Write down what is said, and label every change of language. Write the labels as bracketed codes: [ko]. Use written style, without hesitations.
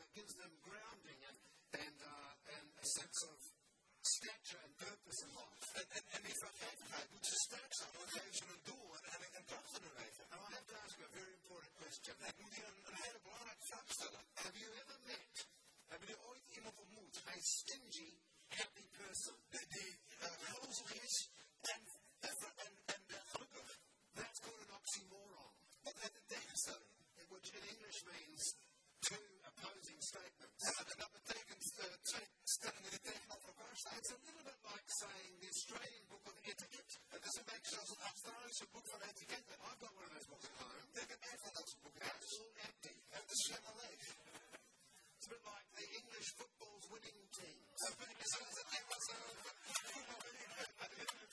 [en] It gives them grounding and a sense of stature and purpose in life. [nl] En die vergevenheid moet je sterk zijn. Dan geven ze een doel en kracht in hun leven. [en] Now I have to ask you a very important question. [nl] Ik moet je een hele belangrijke vraag stellen. [en] Have you ever met, [nl] heb je ooit iemand ontmoet, een [en] stingy, happy person, [nl] die gelozig is en gelukkig? [en] That's called an oxymoron. [nl] Wat heet een tegenstelling? [en] Which in English means two opposing statements. [nl] Ja, en dat betekent twee stellingen die tegenover elkaar staan. [en] It's a little bit like saying the Australian book of etiquette. [nl] Het is een beetje zoals een Australische boek van etiquette. [en] I've got one of those books at home. [nl] Ik heb een van dat soort boeken. [en] That's all empty. [nl] Het is helemaal leeg. [en] It's a bit like the English football's winning team. [nl] Een beetje zoals het Engels voetbal.